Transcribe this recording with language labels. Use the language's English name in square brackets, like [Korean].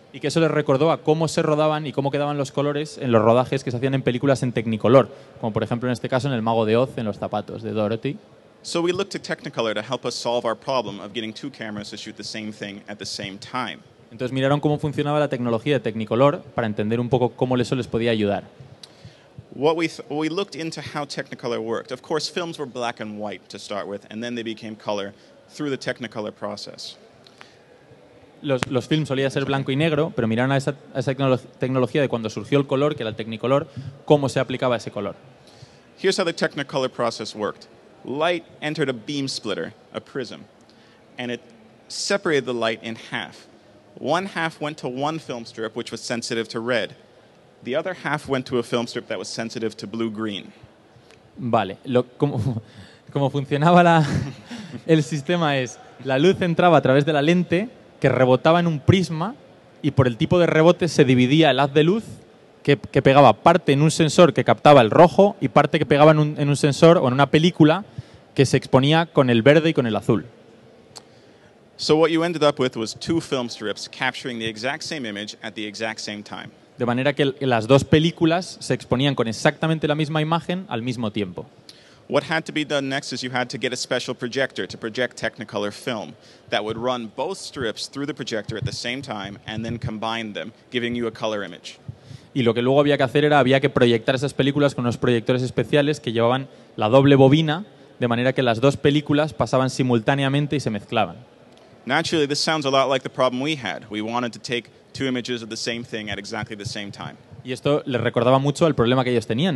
[Spanish] Y que eso les recordó a cómo se rodaban y cómo quedaban los colores en los rodajes que se hacían en películas en Technicolor, como por ejemplo en este caso en El Mago de Oz, en los zapatos de Dorothy. [English] So we looked to Technicolor to help us solve our problem of getting two cameras to shoot the same thing at the same time. [Spanish] Entonces miraron cómo funcionaba la tecnología de Technicolor para entender un poco cómo eso les podía ayudar. [English] We looked into how Technicolor worked. Of course, films were black and white to start with, and then they became color through the Technicolor process. [Spanish] Los films solían ser blanco y negro, pero miraron a esa tecnología de cuando surgió el color, que era el Technicolor, cómo se aplicaba ese color. [English] Here's how the Technicolor process worked. Light entered a beam splitter, a prism, and it separated the light in half. One half went to one film strip, which was sensitive to red. The other half went to a film strip that was sensitive to blue-green. [Spanish] Vale. Como funcionaba el sistema es, la luz entraba a través de la lente, que rebotaba en un prisma, y por el tipo de rebote se dividía el haz de luz, que pegaba parte en un sensor que captaba el rojo y parte que pegaba en un sensor o en una película que se exponía con el verde y con el azul. [English] So what you ended up with was two film strips capturing the exact same image at the exact same time. [Spanish] De manera que las dos películas se exponían con exactamente la misma imagen al mismo tiempo. [English] What had to be done next is you had to get a special projector to project Technicolor film that would run both strips through the projector at the same time and then combine them, giving you a color image. [Spanish] Y lo que luego había que hacer era había que proyectar esas películas con unos proyectores especiales que llevaban la doble bobina, de manera que las dos películas pasaban simultáneamente y se mezclaban. [English] Naturally, this sounds a lot like the problem we had. We wanted to take two images of the same thing at exactly the same time. [Spanish] Y esto les recordaba mucho al problema que ellos tenían.